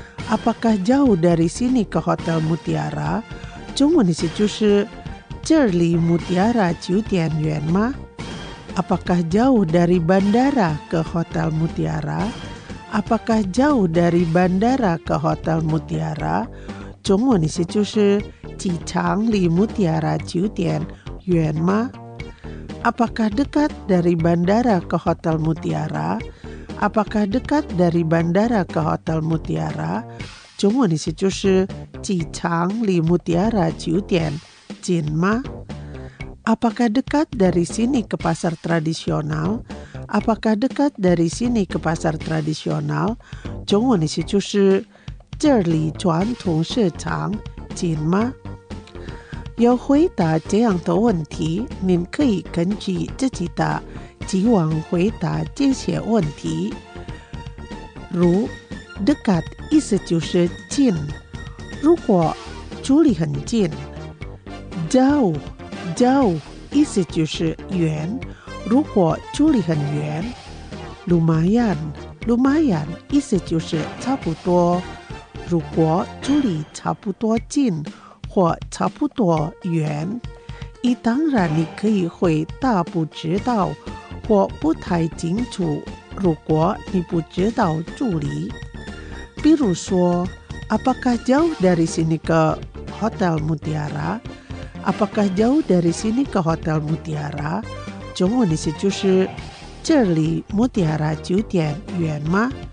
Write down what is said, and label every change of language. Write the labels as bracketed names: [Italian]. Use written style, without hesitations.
[Indonesian] Apakah jauh dari sini ke Hotel Mutiara？ [Chinese] 中文意思就是，这里 Mutiara 酒店远吗 [Indonesian] ？Apakah jauh dari bandara ke Hotel Mutiara？ Apakah jauh dari bandara ke Hotel Mutiara？ [Chinese] 中文意思就是。机场离 Mutiara 酒店远吗？ [Indonesian] Apakah dekat dari bandara ke Hotel Mutiara? Apakah dekat dari bandara ke Hotel Mutiara? [Chinese] 中文意思就是机场离 Mutiara 酒店近吗？ [Indonesian] Apakah dekat dari sini ke pasar tradisional? Apakah dekat dari sini ke pasar tradisional? [Chinese] 中文意思就是这里传统市场近吗？要回答这样的问题，您可以根据自己的期望回答这些问题。如 dekat 意思就是近，如果距离很近 jauh 意思就是远，如果距离很远 lumayan 意思就是差不多，如果距离差不多近或差不多远。一当然你可以回答不知道或不太清楚，如果你不知道助理。比如说 [Indonesian] ,Apakah jauh dari sini ke Hotel Mutiara? Apakah jauh dari sini ke Hotel Mutiara? [Chinese] 中文意思就是这里 Mutiara 酒店远吗？